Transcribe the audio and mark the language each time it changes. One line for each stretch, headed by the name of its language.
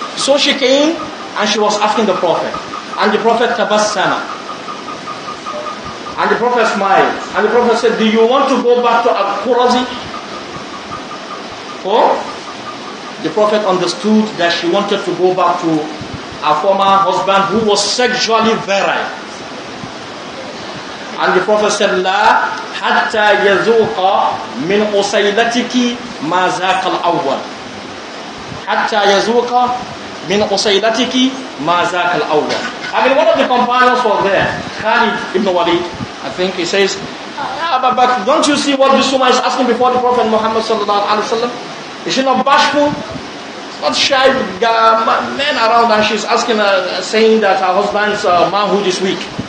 English: So she came and she was asking the Prophet. And the Prophet tabassama. And the Prophet smiled. And the Prophet said, do you want to go back to Al-Qurazi? Oh? The Prophet understood that she wanted to go back to her former husband who was sexually virile.
Arabic: And the Prophet said, لا حتى يذوق من أسيلتك ما ذاق الأول. حتى يذوق من أسيلتك ما ذاق الأول.
English: I mean, one of the companions was there, Khalid ibn Walid, I think he says, but don't you see what this woman is asking before the Prophet Muhammad sallallahu alaihi wasallam? Is she not bashful? Not shy, men around, and she's asking, saying that her husband's manhood is weak.